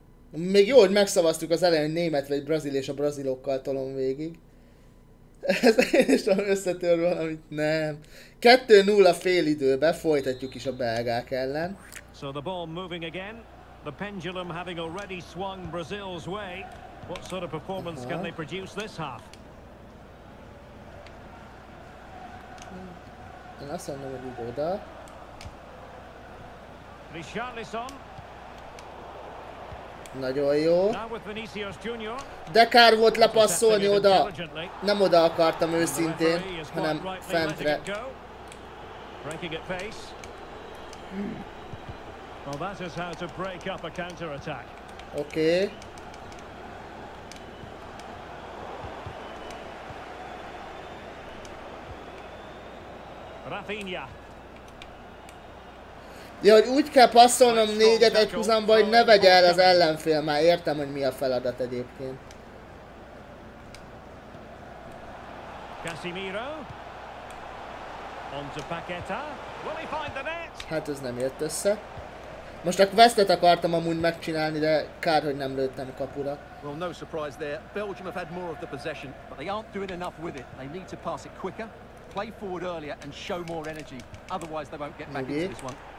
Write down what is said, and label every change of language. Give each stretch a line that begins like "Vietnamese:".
Hungarian: Még jó, hogy megszavaztuk az elején, német vagy brazil, és a brazilokkal tolom végig. Ez is összetör valamit, nem. 2-0 fél időbe, folytatjuk is a belgák ellen.
English: So the ball moving again. The pendulum having already swung Brazil's way. What sort of performance can they produce this half?
Hungarian: Én azt mondom, hogy így oda.
English: Richarlison.
Hungarian: Nagyon jó.
English: Now with Vinicius Junior.
Hungarian: De kár volt lepasszolni oda. Nem oda akartam őszintén, hanem fentre.
English: Breaking at pace. Well, that is how to break up a counter-attack. Okay. Rafinha.
Hungarian: Ja, hogy úgy kell passzolnom négyet egy húzamba, hogy ne vegye el az ellenfél. Már értem, hogy mi a feladat egyébként.
English: Casemiro. On to Paqueta. Will he find the net?
Hungarian: Hát ez nem jött össze. Most a questet akartam amúgy megcsinálni, de kár, hogy nem lőttem kapura.
English: Well, no surprise there. Belgium have had more of the possession, but they aren't doing enough with it. They need to pass it quicker, play forward earlier and show more energy. Otherwise, they won't get back into this one.